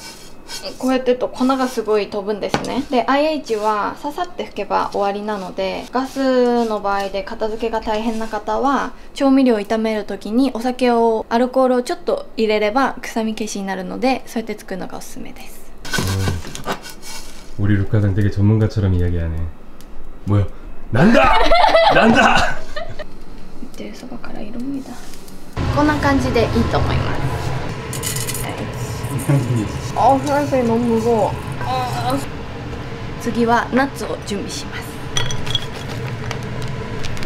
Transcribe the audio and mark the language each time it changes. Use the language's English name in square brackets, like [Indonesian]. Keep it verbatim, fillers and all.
[Japanese] このミョエチを炒めるときにこうやってると粉がすごい飛ぶんですね。で、アイエイチ はささって拭けば終わりなので、ガスの場合で片付けが大変な方は調味料を炒めるときにお酒を、アルコールをちょっと入れれば臭み消しになるので、そうやって作るのがおすすめです。 [Korean] 우리 루카상 되게 전문가처럼 이야기하네. 뭐야? 난다! [Japanese] なんだ言ってるそばから色味だ。こんな感じでいいと思います。あ、フライパンの無謀。次はナッツを準備します。